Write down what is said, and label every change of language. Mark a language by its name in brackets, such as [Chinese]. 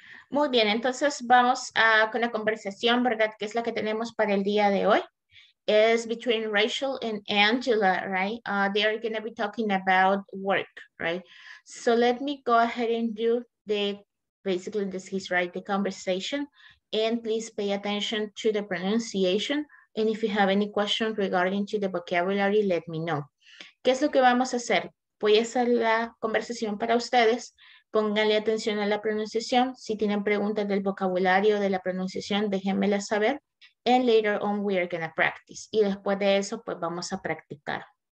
[Spanish] Muy bien, entonces vamos con la conversación, ¿verdad? Que es la que tenemos para el día de hoy. [English] Es between Rachel and Angela, right? They are going to be talking about work, right? So let me go ahead and do the, basically this is right, the conversation. And please pay attention to the pronunciation. And if you have any questions regarding to the vocabulary, let me know. [Spanish] ¿Qué es lo que vamos a hacer? Voy a hacer la conversación para ustedes. Pónganle atención a la pronunciación. Si tienen preguntas del vocabulario o de la pronunciación, déjenmela saber. [English] And later on, we are going to practice. [Spanish] Y después de eso, pues vamos a practicar.